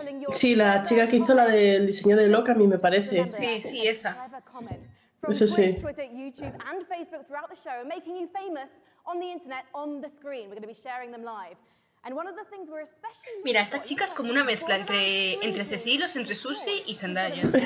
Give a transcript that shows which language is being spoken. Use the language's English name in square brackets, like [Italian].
[Spanish] Sí, la chica que hizo la del diseño de Loca, a mí me parece. Sí, sí, esa. Eso sí. [English] Twitter, YouTube and Facebook throughout the show, making you famous on the internet, on the screen. We're going to be sharing them live. And one of the things we're especially... [Spanish] Mira, esta chica es como una mezcla entre Cecilos, entre Susi y Zendaya.